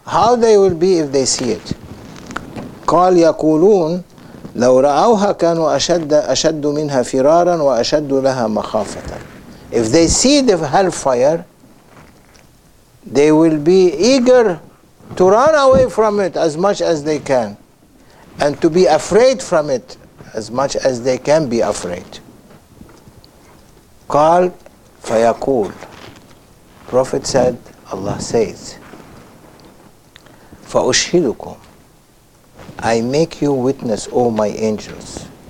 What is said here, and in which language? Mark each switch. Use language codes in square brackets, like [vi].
[en] How they will be if they see it? [ar] قال يقولون لو رأوها كانوا أشد منها فرارا وأشد لها مخافة. [en] If they see the hellfire, they will be eager to run away from it as much as they can, and to be afraid from it as much as they can be afraid. [ar] قال فيقول, [en] Prophet said, Allah says, [ar] فأشهدكم, [en] I make you witness, O my angels.